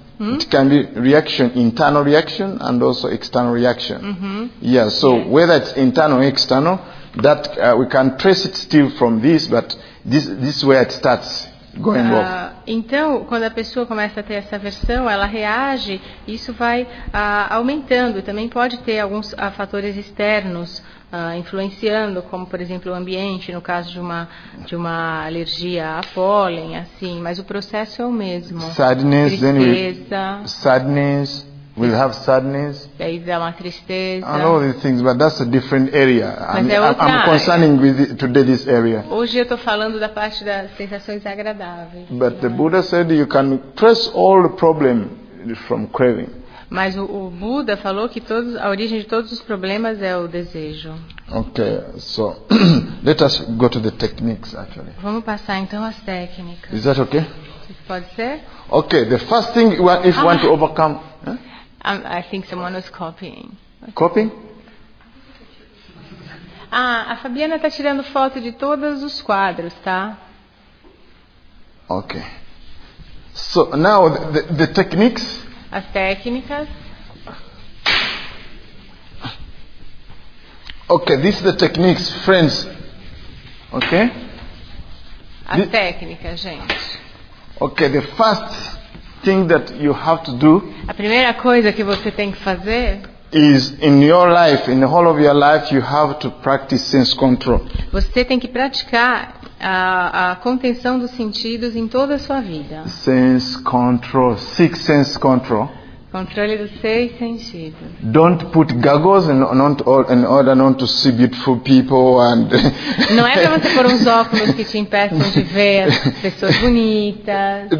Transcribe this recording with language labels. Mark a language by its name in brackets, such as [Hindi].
[English] It can be reaction, internal reaction, and also external reaction. Mm-hmm. Yeah, so whether it's internal or external, that we can trace it still from this, but this is where it starts going off. [Portuguese] Então, quando a pessoa começa a ter essa aversão, ela reage, isso vai aumentando. Também pode ter alguns fatores externos influenciando, como, por exemplo, o ambiente, no caso de uma alergia a pólen, assim, mas o processo é o mesmo. [English] Sadness, [Portuguese] tristeza. [English] Sadness, we'll have sadness. [Portuguese] Daí dá uma tristeza. [English] And all these things, but that's a different area. [Portuguese] Mas é outra [English] I'm concerning with today this area. [Portuguese] Hoje eu estou falando da parte das sensações agradáveis. [English] But the Buddha said you can trace all the problem from craving. [Portuguese] Mas o Buda falou que a origem de todos os problemas é o desejo. [English] Okay, so let us go to the techniques actually. [Portuguese] Vamos passar então às técnicas. [English] Is that okay? [Portuguese] Pode ser? [English] Okay, the first thing if you want to overcome. I think someone was copying. Copying? [Portuguese] A Fabiana está tirando foto de todos os quadros, tá? [English] Okay. So now the techniques. [Portuguese] As técnicas. [English] Okay, these are the techniques, friends. Okay? [Portuguese] As técnicas, gente. [English] Okay, the first thing that you have to do. [Portuguese] A primeira coisa que você tem que fazer. [English] Is in your life, in the whole of your life, you have to practice sense control. [Portuguese] Você tem que praticar a contenção dos sentidos em toda a sua vida. [English] Sense control, six sense control. [Portuguese] Controle dos seis sentidos. [English] Don't put goggles in order not to see beautiful people and. [Portuguese] Não é para você pôr uns óculos que te impeçam de ver as pessoas bonitas.